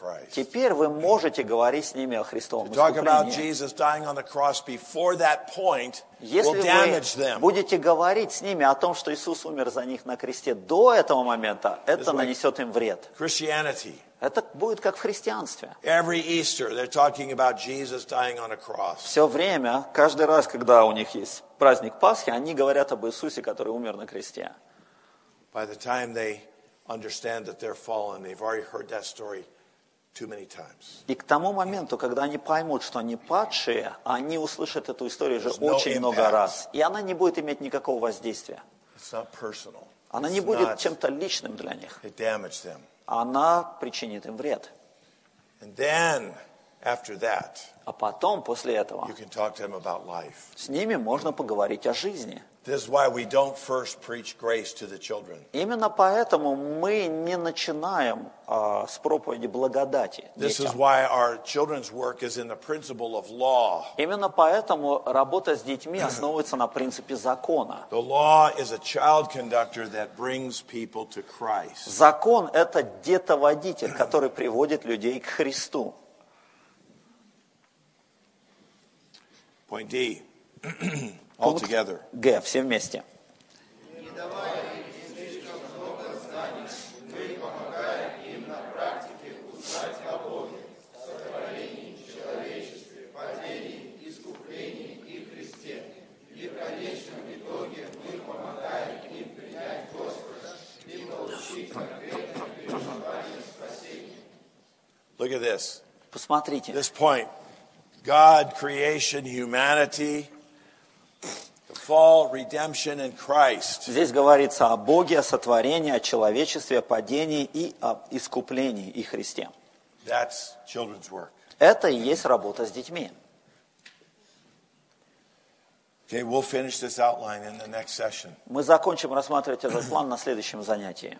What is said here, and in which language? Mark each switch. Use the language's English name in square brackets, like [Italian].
[Russian] Теперь вы можете говорить с ними о Христовом искуплении. Если вы будете говорить с ними о том, что Иисус умер за них на кресте до этого момента, это нанесет им вред. Это будет как в христианстве. [English] Every Easter they're talking about Jesus dying on a cross. [Russian] Все время, каждый раз, когда у них есть праздник Пасхи, они говорят об Иисусе, который умер на кресте. [English] By the time they understand that they're fallen, they've already heard that story too many times. [Russian] И к тому моменту, когда они поймут, что они падшие, они услышат эту историю уже очень много раз, и она не будет иметь никакого воздействия. [English] It's not personal. [Russian] Она не будет чем-то личным для них. [English] It damages them. [Russian] Она причинит им вред. [English] And then, after that, [Russian] а потом после этого, [English] you can talk to them about life. [Russian] С ними можно поговорить о жизни. [English] This is why we don't first preach grace to the children. [Russian] Именно поэтому мы не начинаем с проповеди благодати детям. [English] This is why our children's work is in the principle of law. [Russian] Именно поэтому работа с детьми основывается на принципе закона. [English] The law is a child conductor that brings people to Christ. [Russian] Закон – это детоводитель, который приводит людей к Христу. [English] Point D. All together. [Russian] Г. Все вместе. Не давая им слишком много знаний, мы помогаем им на практике узнать о Боге, сотворении, человечестве, падении, искуплении и Христе. И в конечном итоге мы помогаем им принять Господа и получить конкретное переживание спасения. [English] Look at this. [Russian] Посмотрите. [English] This point. God, creation, humanity. Fall, redemption, and Christ. [Russian] Здесь говорится о Боге, о сотворении, о человечестве, о падении и о искуплении и Христе. [English] That's children's work. [Russian] Это и есть работа с детьми. [English] Okay, we'll finish this outline in the next session. [Russian] Мы закончим рассматривать этот план на следующем занятии.